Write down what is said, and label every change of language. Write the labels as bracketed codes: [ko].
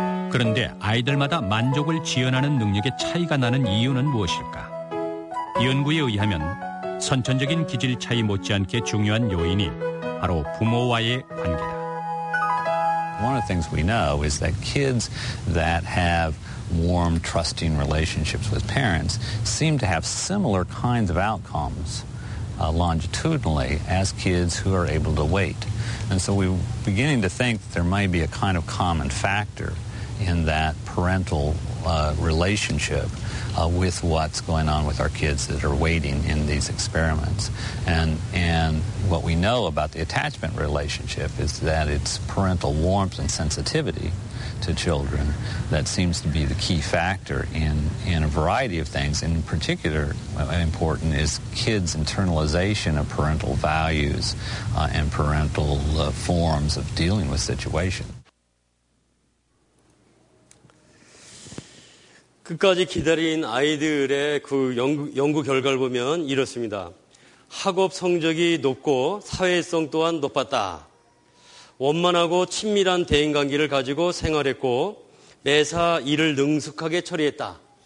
[ko] 그런데 아이들마다 만족을 지연하는 능력의 차이가 나는 이유는 무엇일까? 연구에 의하면 선천적인 기질 차이 못지않게 중요한 요인이 바로 부모와의 관계다. [en] One of the things we know is that kids that have warm, trusting relationships with parents seem to have similar kinds of outcomes longitudinally as kids who are able to wait. And so we're beginning to think that there might be a kind of common factor in that parental relationship with what's going on with our kids that are waiting in these experiments. And what we know about the attachment relationship is that it's parental warmth and sensitivity to children that seems to be the key factor in a variety of things. In particular, important is kids' internalization of parental values and parental forms of dealing with situations. [ko] 끝까지 기다린 아이들의 그 연구 결과를 보면 이렇습니다. 학업 성적이 높고 사회성 또한 높았다. 원만하고 친밀한 대인관계를 가지고 생활했고 매사 일을 능숙하게 처리했다.